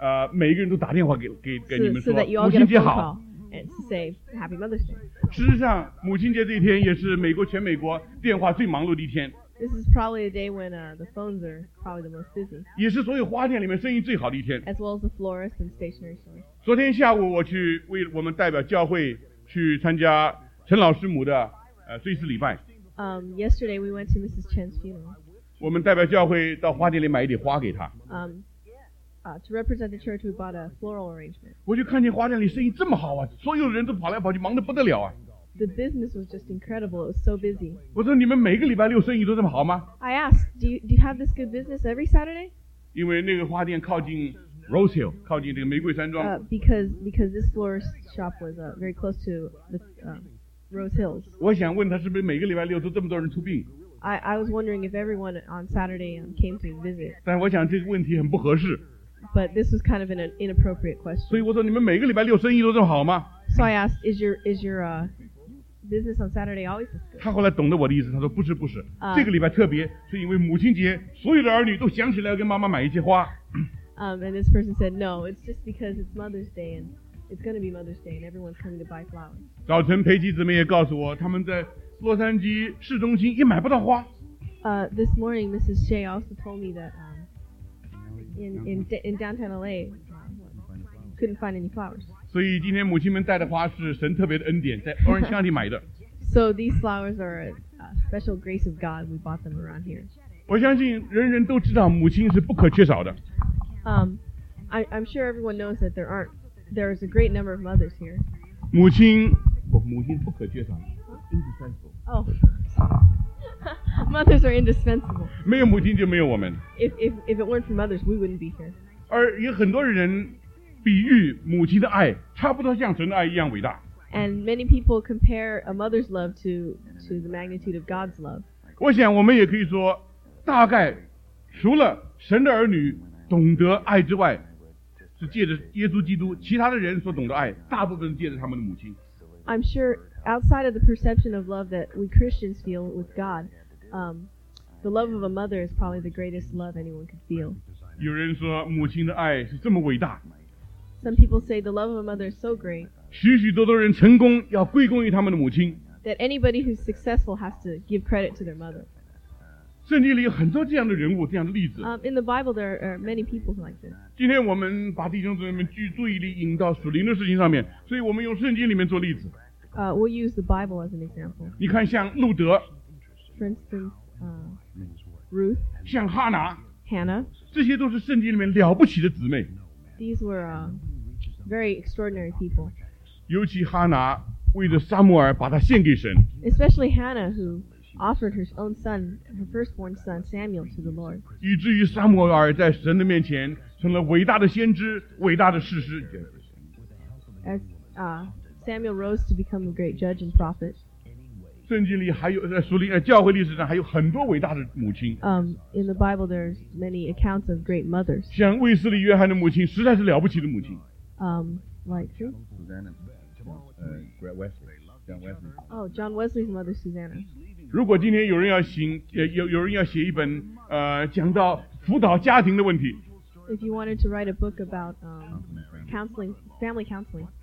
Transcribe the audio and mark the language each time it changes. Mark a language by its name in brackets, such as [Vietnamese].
[Chinese] 每一个人都打电话给你们说 [English] so that you all [Chinese] 母亲节好 [English] and say Happy Mother's Day. [Chinese] 事实上，母亲节这一天也是美国全美国电话最忙碌的一天。 [English] This is probably the day when the phones are probably the most busy. [Chinese] 也是所有花店里面生意最好的一天。 [English] As well as the florists and stationery stores. [Chinese] 昨天下午我去为我们代表教会去参加陈老师母的追思礼拜。 [English] Yesterday we went to Mrs. Chen's funeral. [Chinese] 我们代表教会到花店里买一点花给她。 [English] To represent the church, we bought a floral arrangement. [Chinese] 我就看见花店里生意这么好啊，所有的人都跑来跑去，忙得不得了啊。 [English] The business was just incredible. It was so busy. [Chinese] 我说你们每个礼拜六生意都这么好吗 [English] ？I asked, do you have this good business every Saturday? [Chinese] 因为那个花店靠近 Rose Hill, 靠近这个玫瑰山庄。 [English] Because this florist shop was very close to the Rose Hills. [Chinese] 我想问他是不是每个礼拜六都这么多人出殡 [English] ？I was wondering if everyone on Saturday came to visit. [Chinese] 但我想这个问题很不合适。 [English] But this was kind of an inappropriate question. [Chinese] 所以我说你们每个礼拜六生意都这么好吗 [English] ？So I asked, is your business on Saturday always is good. [Chinese] 他后来懂得我的意思，他说不是不是，这个礼拜特别，是因为母亲节，所有的儿女都想起来要跟妈妈买一些花。 [English] And this person said, no, it's just because it's Mother's Day and it's going to be Mother's Day and everyone's coming to buy flowers. [Chinese] 早晨，培基姊妹也告诉我，他们在洛杉矶市中心也买不到花。 [English] This morning, Mrs. Shea also told me that in downtown LA, couldn't find any flowers. [Chinese] 所以今天母亲们带的花是神特别的恩典，在 Orange County 买的。 [English] So these flowers are a special grace of God. We bought them around here. [Chinese] 我相信人人都知道母亲是不可缺少的。 [English] I'm sure everyone knows that there is a great number of mothers here. [Chinese] 母亲不可缺少 ，indispensable. [English] Oh, mothers are indispensable. [Chinese] 没有母亲就没有我们。 [English] If it weren't for mothers, we wouldn't be here. [Chinese] 而有很多人。比喻母亲的爱差不多像神的爱一样伟大。 [English] And many people compare a mother's love to the magnitude of God's love. [Chinese] 我想我们也可以说，大概除了神的儿女懂得爱之外，是借着耶稣基督，其他的人所懂得爱，大部分是借着他们的母亲。 [English] I'm sure outside of the perception of love that we Christians feel with God, the love of a mother is probably the greatest love anyone could feel. [Chinese] 有人说母亲的爱是这么伟大。 [English] Some people say the love of a mother is so great. [Chinese] 许许多多人成功要归功于他们的母亲。 [English] That anybody who's successful has to give credit to their mother. [Chinese] 圣经里有很多这样的人物，这样的例子。 [English] In the Bible, there are many people like this. [Chinese] 今天我们把弟兄姊妹们注意力引到属灵的事情上面，所以我们用圣经里面做例子。 [English] We'll use the Bible as an example. [Chinese] 你看，像路德。 [English] For instance, Ruth. [Chinese] 像哈拿。 [English] Hannah. [Chinese] 这些都是圣经里面了不起的姊妹。 [English] These were very extraordinary people. [Chinese] 尤其哈拿为着撒母耳把他献给神。 [English] Especially Hannah, who offered her own son, her firstborn son Samuel, to the Lord. [Chinese] 以至于撒母耳在神的面前成了伟大的先知，伟大的士师。 [English] As Samuel rose to become a great judge and prophet. [Chinese] 圣经里还有在属灵教会历史上还有很多伟大的母亲。 [English] In the Bible, there's many accounts of great mothers. [Chinese] 像卫斯理约翰的母亲实在是了不起的母亲。 [English] Like who? Susanna. Wesley. John Wesley's mother, Susanna. [Chinese] 如果今天有人要行 有人要写一本讲到辅导家庭的问题， [English] If you wanted to write a book about counseling, family counseling,